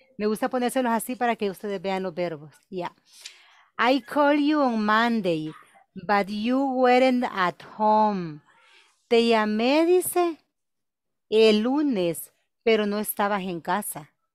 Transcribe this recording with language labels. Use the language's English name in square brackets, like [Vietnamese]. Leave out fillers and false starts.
[Spanish] Me gusta ponérselos así para que ustedes vean los verbos. [English] Yeah. I called you on Monday, but you weren't at home. [Spanish] Te llamé, dice, el lunes, pero no estabas en casa.